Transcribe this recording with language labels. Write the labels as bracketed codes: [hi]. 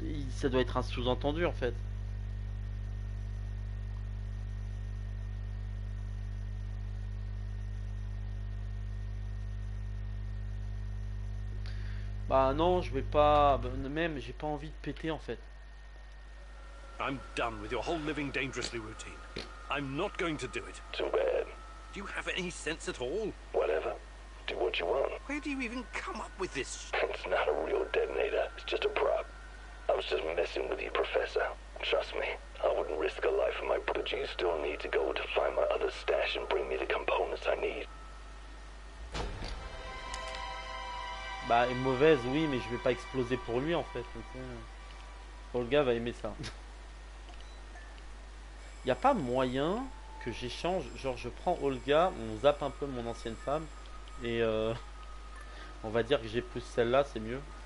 [fr] Ça doit être un sous-entendu en fait. Bah non, je vais pas. Même, j'ai pas envie de péter en fait. [en] I'm done with your whole living dangerously routine. I'm not going to do it. Too bad. Do you have any sense at all? Whatever. Do what you want. Where do you even come up with this? It's not a real detonator. It's just a prop. I was just messing with you, Professor. Trust me, I wouldn't risk a life of my brother. You still need to go to find my other stash and bring me the components I need. [fr] Bah, est mauvaise, oui, mais je vais pas exploser pour lui, en fait. Bon, le gars va aimer ça. Y a pas moyen que j'échange... Genre, je prends Olga, on zappe un peu mon ancienne femme, et on va dire que j'ai plus celle-là, c'est mieux.